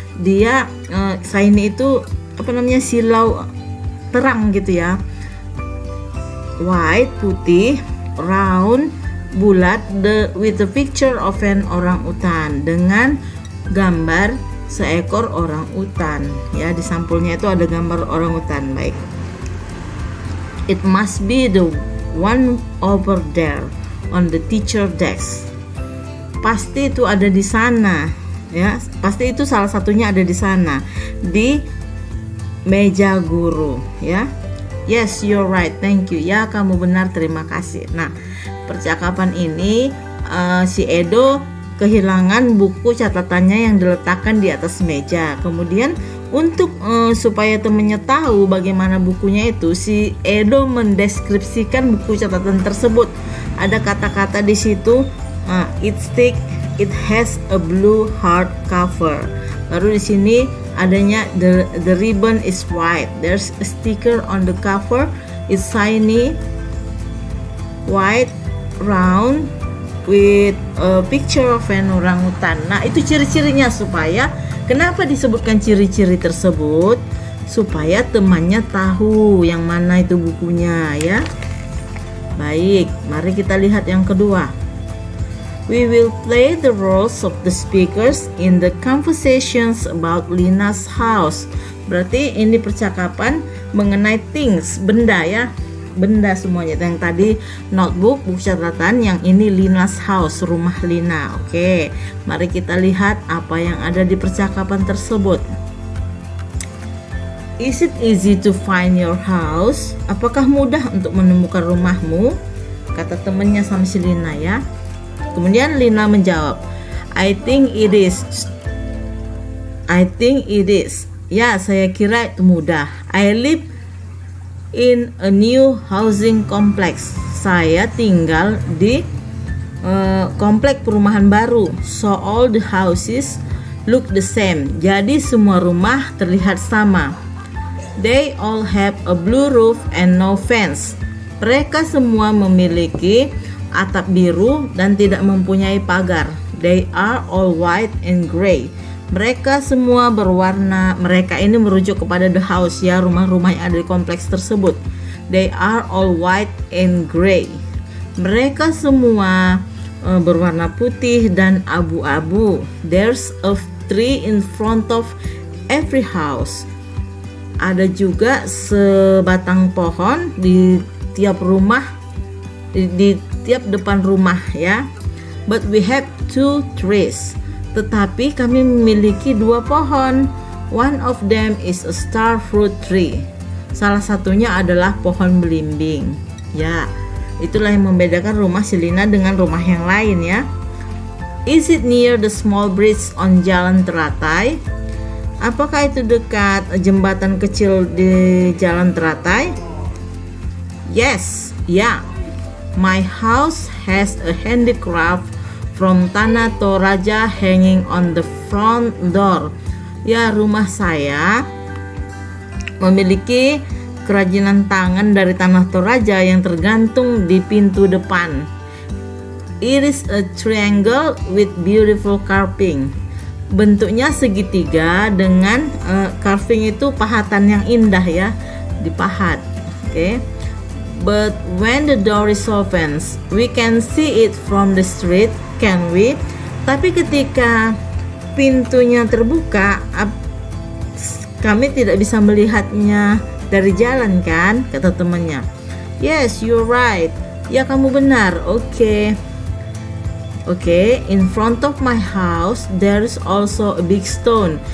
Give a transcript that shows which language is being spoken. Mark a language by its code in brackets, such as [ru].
[id] Dia shiny itu apa namanya, silau, terang gitu ya. [en] White, [id] putih, [en] round, [id] bulat, [en] with a picture of an orangutan, [id] dengan gambar seekor orang utan ya. Di sampulnya itu ada gambar orang utan. Baik. [en] It must be the one over there on the teacher desk. [id] Pasti itu ada di sana ya. Pasti itu salah satunya ada di sana di meja guru ya. [en] Yes, you're right. Thank you. [id] Ya, kamu benar. Terima kasih. Nah, percakapan ini si Edo kehilangan buku catatannya yang diletakkan di atas meja. Kemudian untuk supaya temannya tahu bagaimana bukunya itu, si Edo mendeskripsikan buku catatan tersebut. Ada kata-kata di situ, [en] it's thick, it has a blue hard cover. [id] Lalu di sini adanya [en] the ribbon is white. There's a sticker on the cover. It's shiny, white, round, with a picture of an orangutan. [id] Nah, itu ciri-cirinya. Supaya kenapa disebutkan ciri-ciri tersebut? Supaya temannya tahu yang mana itu bukunya ya. Baik, mari kita lihat yang kedua. [en] we will play the roles of the speakers in the conversations about Lina's house. [id] Berarti ini percakapan mengenai things, benda ya, benda semuanya. Yang tadi notebook, buku catatan, yang ini Lina's house, rumah Lina. Oke, mari kita lihat apa yang ada di percakapan tersebut. [en] Is it easy to find your house? [id] Apakah mudah untuk menemukan rumahmu? Kata temannya sama si Lina ya. Kemudian Lina menjawab, [en] I think it is. [id] Ya, saya kira itu mudah. [en] I live in a new housing complex. [id] Saya tinggal di komplek perumahan baru. [en] So all the houses look the same. [id] Jadi semua rumah terlihat sama. [en] They all have a blue roof and no fence. [id] Mereka semua memiliki atap biru dan tidak mempunyai pagar. [en] They are all white and gray. [id] Mereka semua berwarna. Mereka ini merujuk kepada [en] the house [id] ya, rumah-rumah yang ada di kompleks tersebut. [en] They are all white and gray. [id] Mereka semua berwarna putih dan abu-abu. [en] There's a tree in front of every house. [id] Ada juga sebatang pohon di tiap rumah, di tiap depan rumah ya. [en] But we have two trees. [id] Tetapi kami memiliki dua pohon. [en] One of them is a star fruit tree. [id] Salah satunya adalah pohon belimbing. Ya, itulah yang membedakan rumah Selina dengan rumah yang lain ya. [en] Is it near the small bridge on Jalan Teratai? [id] Apakah itu dekat jembatan kecil di Jalan Teratai? [en] Yes, yeah. My house has a handicraft from Tanah Toraja hanging on the front door. [id] Ya, rumah saya memiliki kerajinan tangan dari Tanah Toraja yang tergantung di pintu depan. [en] It is a triangle with beautiful carving. [id] Bentuknya segitiga dengan carving itu pahatan yang indah ya, dipahat. Oke. [en] But when the door is open, we can see it from the street, can we? [id] Tapi ketika pintunya terbuka, kami tidak bisa melihatnya dari jalan kan, kata temannya. [en] Yes, you're right. [id] Ya, kamu benar. [en] Okay, in front of my house there's also a big stone.